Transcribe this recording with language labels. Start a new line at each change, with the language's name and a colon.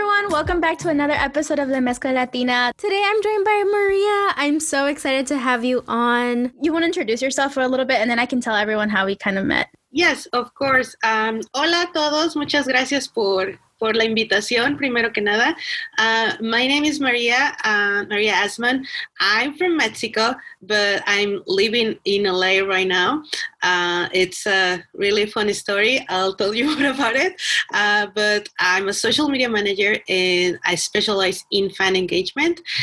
English: Welcome back to another episode of La Mezcla Latina. Today I'm joined by Maria. I'm so excited to have you on. You want to introduce yourself for a little bit and then I can tell everyone how we kind of met. Yes, of course.
Spanish: Hola a todos. Muchas gracias por la invitación, primero que nada.
English: My name is Maria, Maria Azmon. I'm from Mexico, but I'm living in LA right now. It's a really funny story. I'll tell you more about it. But I'm a social media manager and I specialize in fan engagement.